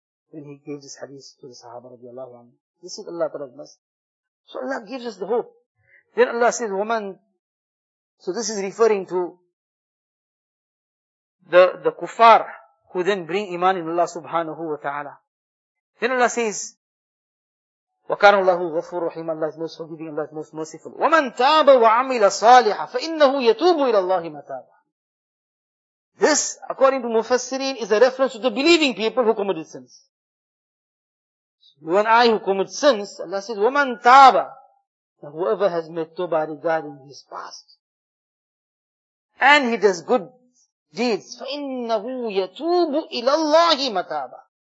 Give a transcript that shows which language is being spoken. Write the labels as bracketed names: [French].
[English] When he gave this hadith to the Sahaba radiallahu anhu. This is Allah Ta'ala's mercy. So Allah gives us the hope. Then Allah says, woman, so this is referring to the kuffar who then bring iman in Allah subhanahu wa ta'ala. Then Allah says, [Arabic] وَكَانَ اللَّهُ غَفُورُ رَحِيمًا. [English] Allah is most forgiving, Allah is most merciful. [Arabic] وَمَنْ تَابَ وَعَمِلَ صَالِحًا فَإِنَّهُ يَتُوبُ إِلَى اللَّهِ مَتَابًا. [English] This, according to Mufassirin, is a reference to the believing people who committed sins. You and I who commit sins, Allah says, [Arabic] وَمَنْ تَابَ. [English] Now whoever has made tawbah regarding his past, and he does good deeds, [Arabic] فَإِنَّهُ يَتُوبُ إِلَى اللَّهِ مَتَابًا.